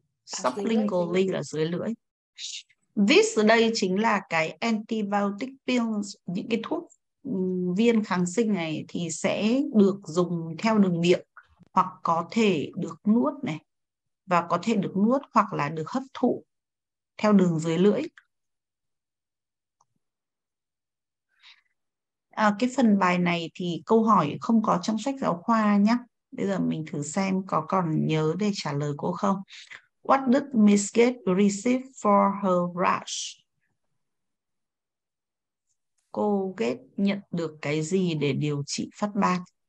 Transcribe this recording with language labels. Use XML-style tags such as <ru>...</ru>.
<vi>Sublingually là dưới lưỡi. This ở đây chính là cái</vi> <en>antibiotic pills,</en> <vi>những cái thuốc viên kháng sinh này thì sẽ được dùng theo đường miệng hoặc có thể được nuốt này, và có thể được nuốt hoặc là được hấp thụ theo đường dưới lưỡi. À, cái phần bài này thì câu hỏi không có trong sách giáo khoa nhé. Bây giờ mình thử xem có còn nhớ để trả lời cô không.</vi> <en>What did Miss Gates receive for her rash?</en> <vi>Cô Gates nhận được cái gì để điều trị phát ban?</vi>